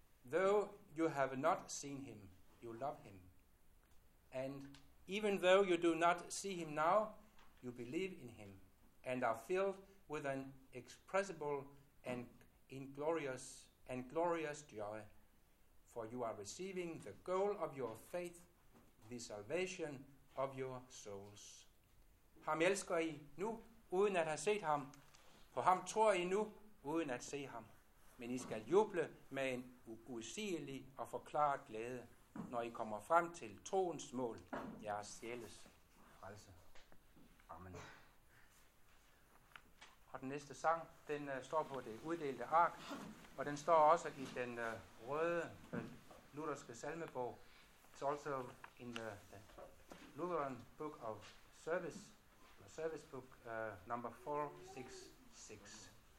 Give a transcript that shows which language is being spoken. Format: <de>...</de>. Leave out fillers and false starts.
<en>Though you have not seen him, you love him. And even though you do not see him now, you believe in him and are filled with an inexpressible and glorious joy. For you are receiving the goal of your faith, the salvation of your souls.</en> <da>Ham elsker I nu, uden at have set ham. På ham tror I nu, uden at se ham. Men I skal juble med en uudsigelig og forklaret glæde, når I kommer frem til troens mål, jeres sjæles frelse. Amen. Og den næste sang, den står på det uddelte ark, og den står også i den røde lutherske salmebog.</da> <en>It's also in the Lutheran Book of Service, the service book number 466.</en>